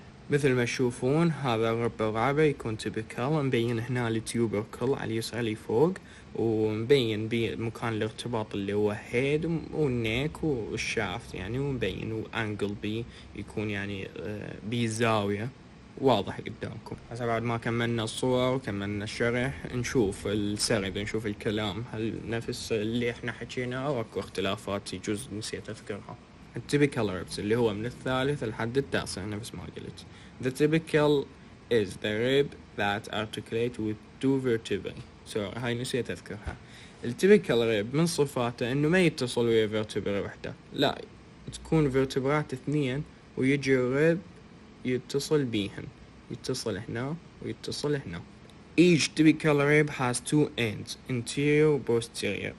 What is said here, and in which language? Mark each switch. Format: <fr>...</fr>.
<ar>مثل ما تشوفون هذا الرب الرابع يكون تيبيكال، مبين هنا التيوبركل على اليسار اللي فوق، ومبين بمكان الارتباط اللي هو هيد والنيك والشافت يعني، ومبين وانجل بي يكون يعني بزاوية واضح قدامكم. هسه بعد ما كملنا الصور وكملنا الشرح نشوف السرد، نشوف الكلام هل نفس اللي احنا حكيناه او اكو اختلافات يجوز نسيت اذكرها. التيبيكال ريبس اللي هو من الثالث لحد التاسع نفس ما قلت.</ar> <en>The typical is the rib that articulate with two vertebrae.</en> <ar>سوري هاي نسيت اذكرها. التيبيكال ريب من صفاته انه ما يتصل ويا فيرتبرا وحده، لا تكون فيرتبرات اثنين ويجي ريب يتصل بيهن، يتصل هنا ويتصل هنا.</ar> <en>Each typical rib has two ends, anterior posterior.</en>